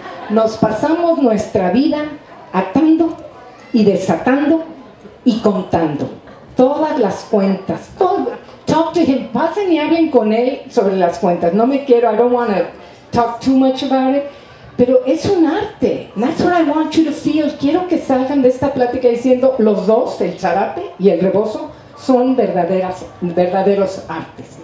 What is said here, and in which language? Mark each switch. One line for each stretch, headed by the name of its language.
Spanish: Nos pasamos nuestra vida atando y desatando y contando. Todas las cuentas.
English: Talk to him.
Spanish: Pasen y hablen con él sobre las cuentas. No me quiero,
English: I don't want to talk too much about it.
Spanish: Pero es un arte.
English: That's what I want you to feel.
Spanish: Quiero que salgan de esta plática diciendo los dos, el zarape y el rebozo, son verdaderos artes.